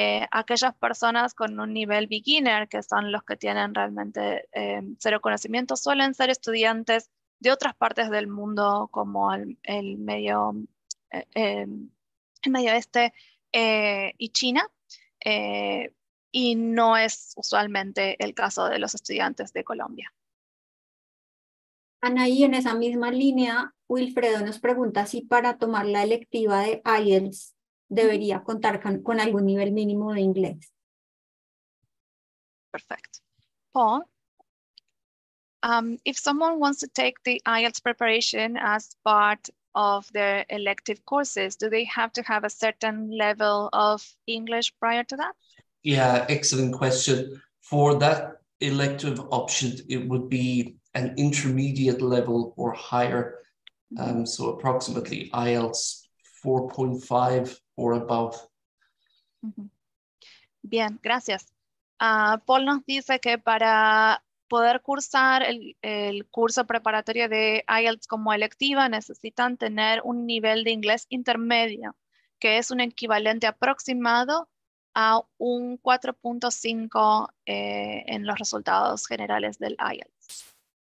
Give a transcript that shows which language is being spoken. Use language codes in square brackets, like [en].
[es] aquellas personas con un nivel beginner, que son los que tienen realmente cero conocimiento, suelen ser estudiantes de otras partes del mundo, como el medio este y China, y no es usualmente el caso de los estudiantes de Colombia. Anaí, en esa misma línea, Wilfredo nos pregunta si para tomar la electiva de IELTS debería contar con algún nivel mínimo de inglés. Perfecto. [en] Paul, if someone wants to take the IELTS preparation as part of their elective courses, do they have to have a certain level of English prior to that? Yeah, excellent question. For that elective option, it would be an intermediate level or higher, so approximately IELTS 4.5 or above. Mm-hmm. [es] Bien, gracias. Paul nos dice que para poder cursar el curso preparatorio de IELTS como electiva necesitan tener un nivel de inglés intermedio, que es un equivalente aproximado a un 4.5 en los resultados generales del IELTS.